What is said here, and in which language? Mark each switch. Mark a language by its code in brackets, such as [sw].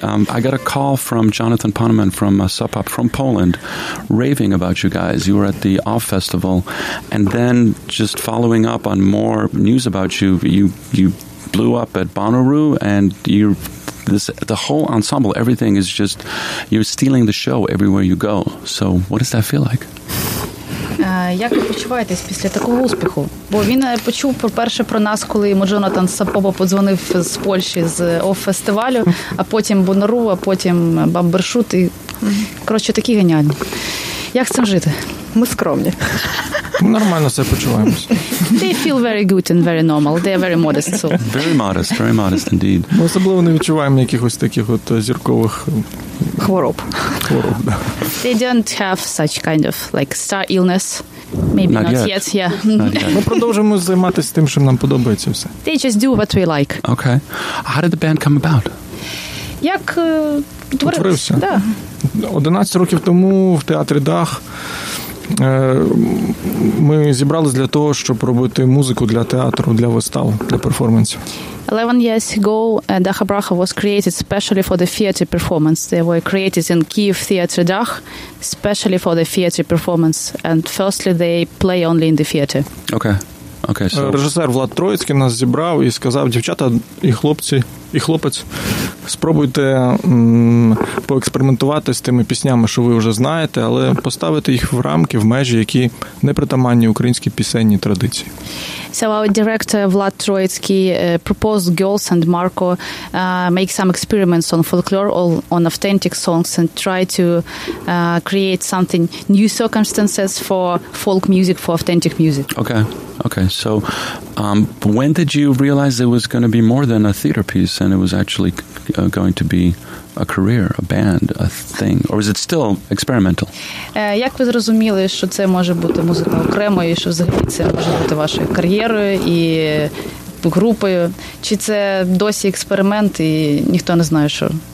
[en] I got a call from Jonathan Poneman from Sub Pop from Poland, raving about you guys. You were at the Off Festival, and then just following up on more news about you, you blew up at Bonnaroo, and you're the whole ensemble, everything is just, you're stealing the show everywhere you go. So what does that feel like? [uk] Як ви почуваєтесь після такого успіху? Бо він почув перше про нас, коли йому Джонатан Сапопа подзвонив з Польщі, з оф-фестивалю, а потім Бонару, а потім Бамбершут. І, коротше, такі геніальні. Як з цим жити? Ми скромні. Нормально себе почуваємось. [en] They feel very good and very normal. They are very modest. So. Very modest indeed. [uk] Ми особливо не відчуваємо якихось таких от зіркових... Хвороб. Хвороб, да. [en] They don't have such kind of like star illness. Maybe not yet. Yet. Yeah. [uk] Ми продовжимо займатися тим, що нам подобається все. [en] They just do what we like. Okay. How did the band come about? [uk] Як утворився? Да. 11 років тому в театрі «Дах» ми зібралися для того, щоб робити музику для театру, для вистав, для перформансів. [en] 11 years ago, Dacha Bracha was created specially for the theater performance. They were created in Kyiv Theater Dach, specially for the theater performance. And firstly, they play only in the theater. Okay. Okay. So. [uk] Режисер Влад Троїцький нас зібрав і сказав, дівчата і хлопці, і хлопець, спробуйте поекспериментувати з тими піснями, що ви вже знаєте, але поставити їх в рамки, в межі, які не притаманні українській пісенній традиції. [en] So our director Влад Троїцький proposed Girls and Marco make some experiments on folklore or on authentic songs and try to create something new circumstances for folk music, for authentic music. Okay. Okay. So when did you realize it was going to be more than a theater piece and it was actually going to be a career, a band, a thing, or is it still experimental? [uk] Як ви зрозуміли, що це може бути музика окремо, і що взагалі це може бути вашою кар'єрою і групою? Чи це досі експеримент, і ніхто не знає, що?